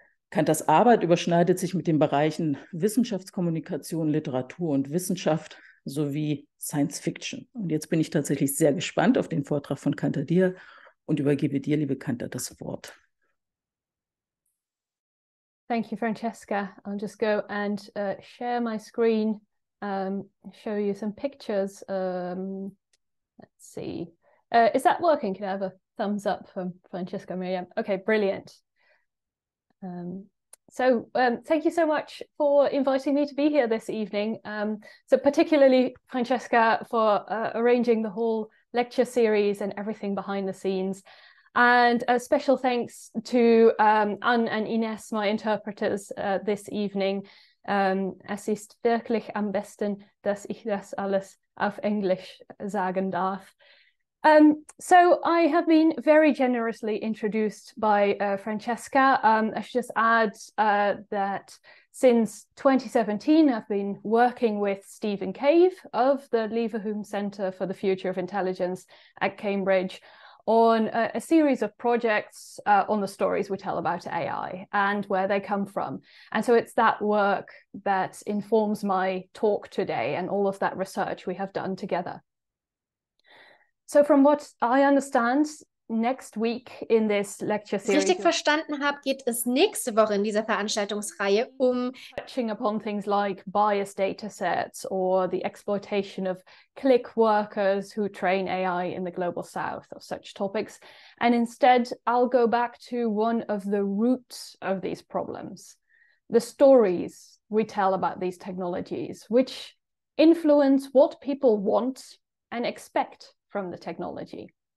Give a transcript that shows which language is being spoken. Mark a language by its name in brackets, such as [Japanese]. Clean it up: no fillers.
[German] Kantas Arbeit überschneidet sich mit den Bereichen Wissenschaftskommunikation, Literatur und Wissenschaft sowie Science Fiction. Und jetzt bin ich tatsächlich sehr gespannt auf den Vortrag von Kanta Dihal und übergebe dir, liebe Kanta, das Wort. [English] Thank you, Francesca. I'll just go and share my screen, show you some pictures. Let's see. Is that working? Can I have a thumbs up from Francesca Miriam? Okay, brilliant. Thank you so much for inviting me to be here this evening. Particularly Francesca for arranging the whole lecture series and everything behind the scenes. And a special thanks to Anne and Ines, my interpreters this evening. [German] Es ist wirklich am besten, dass ich das alles auf Englisch sagen darf. [English] So I have been very generously introduced by Francesca. I should just add that since 2017, I've been working with Stephen Cave of the Leverhulme Center for the Future of Intelligence at Cambridge on a series of projects on the stories we tell about AI and where they come from. And so it's that work that informs my talk today and all of that research we have done together. So from what I understand, next week in this lecture series, [German] richtig verstanden habe, geht es nächste Woche in dieser Veranstaltungsreihe um [English] touching upon things like bias data sets or the exploitation of click workers who train AI in the global south or such topics. And instead, I'll go back to one of the roots of these problems, the stories we tell about these technologies, which influence what people want and expect from the technology.